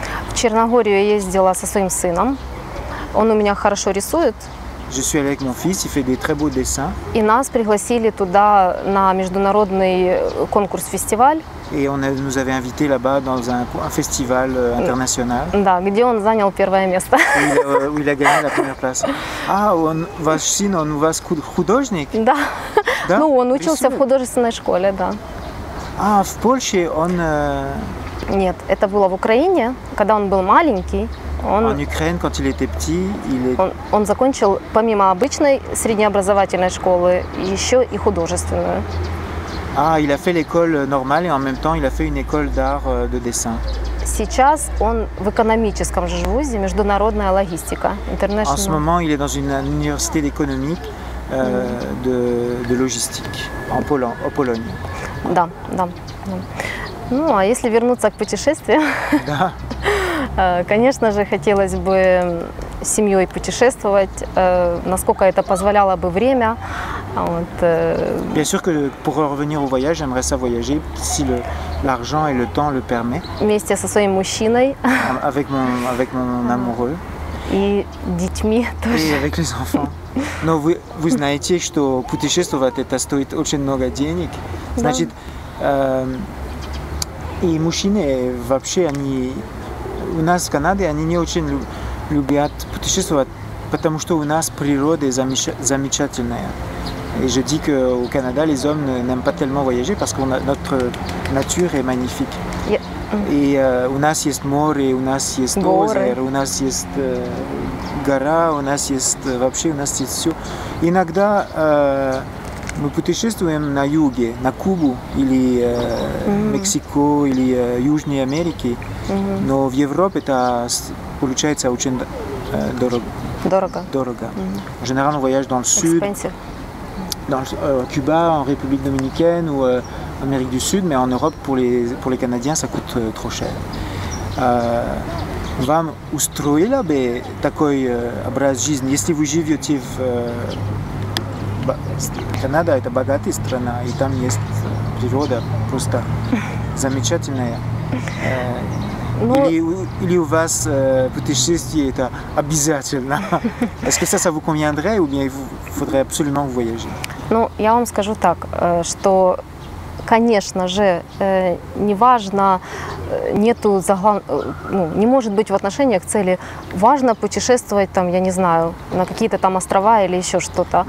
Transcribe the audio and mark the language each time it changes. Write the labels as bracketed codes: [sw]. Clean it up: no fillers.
[ru] В Черногорию я ездила со своим сыном. Он у меня хорошо рисует. [fr] Je suis allé avec mon fils, il fait des très beaux dessins. [ru] И нас пригласили туда на международный конкурс-фестиваль. [fr] Et on nous avait invités là-bas dans un festival international. [ru] Да, где он занял первое место. [fr] Où il a gagné la première place. [ru] Ah, on, ваш сын, он у вас художник? Да. Да? Ну, он учился в художественной школе, да. А, в Польше он... Нет, это было в Украине, когда он был маленький. Он, [fr] en Ukraine, quand il était petit, il est... [ru] он закончил, помимо обычной среднеобразовательной школы, еще и художественную. [fr] А, il a fait l'école normale et en même temps il a fait une école d'art de dessin. [ru] Сейчас он в экономическом вузе, международная логистика. [fr] En ce moment, il est dans une université d'économique de logistique en Pologne, en Pologne. [ru] Да, да, да. Ну, а если вернуться к путешествиям, да. Конечно же, хотелось бы с семьей путешествовать, насколько это позволяло бы время. Вот. [fr] Bien sûr que pour revenir au voyage, j'aimerais ça voyager si le, l'argent et le temps le permet. [ru] Вместе со своим мужчиной. [fr] Avec mon amoureux. [ru] и детьми тоже. И [fr] avec les enfants. [ru] Но вы знаете, что путешествовать это стоит очень много денег. Значит, и мужчины вообще они у нас в Канаде они не очень любят путешествовать, потому что у нас природа замечательная. [fr] Et je dis que au Canada, les hommes n'aiment pas tellement voyager parce que notre nature est magnifique. [en] Yeah. [fr] Et [ru] у нас есть море, у нас есть озеро, у нас есть гора, у нас есть вообще, у нас есть все. Иногда мы путешествуем на юге, на Кубу или Мексику или Южной Америке, но в Европе это получается очень дорого. Дорого. Дорого. Mm-hmm. [fr] Généralement, on voyage dans le sud. Dans Cuba, en République Dominicaine ou en Amérique du Sud, mais en Europe, pour les Canadiens, ça coûte trop cher. [ru] Вам устроило бы такой образ жизни, если вы живете в Канаде, это богатая страна, и там есть природа просто замечательная. Или у вас путешествие это обязательно? [fr] Est-ce que ça vous conviendrait ou bien il faudrait absolument voyager? [ru] Ну, я вам скажу так, что, конечно же, неважно, нету не может быть в отношениях цели, важно путешествовать там, я не знаю, на какие-то там острова или еще что-то.